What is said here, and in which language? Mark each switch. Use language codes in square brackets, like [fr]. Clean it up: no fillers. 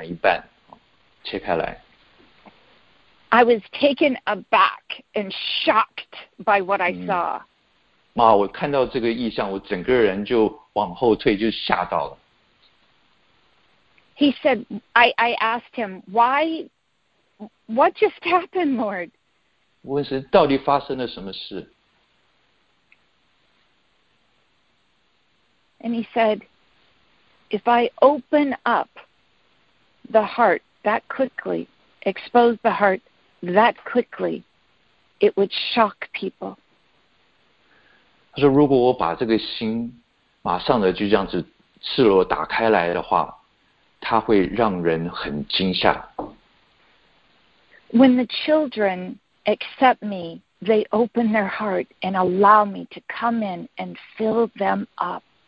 [zh] 所以神就用话，像刀一样，把我整个人从上到下这样切成一半，切开来。 [en] I was taken aback and shocked by what I saw. [zh] 哇，我看到这个异象，我整个人就往后退，就吓到了。 [en] He said, I asked him, why? What just happened, Lord? [zh] 我问神到底发生了什么事？ [en] And he said, if I open up the heart that quickly, expose the heart that quickly, it would shock people. [zh] 他说如果我把这个心马上的就这样子赤裸打开来的话，它会让人很惊吓。 [en] When the children accept me, they open their heart and allow me to come in and fill them up.